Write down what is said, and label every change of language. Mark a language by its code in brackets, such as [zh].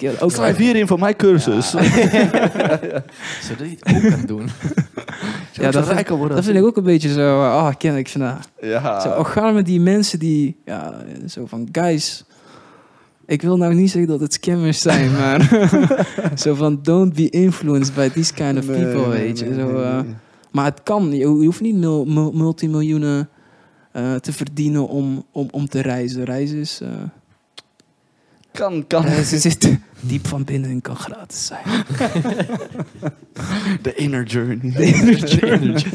[nl] Schrijf hierin voor mijn cursus. Ja. Zodat je het ook kan doen. Ja, dat rijker worden. Dat vind ik ook een beetje zo... Gaan met die mensen die... Ja, zo van... Guys, ik wil nou niet zeggen dat het scammers zijn, maar... zo van, [en] don't be influenced by these kind of people, [nl] Maar het kan. Je hoeft niet multimiljoenen te verdienen om te reizen. Reizen is... Kan. Ze zit diep van binnen en kan gratis zijn. [en] The inner journey.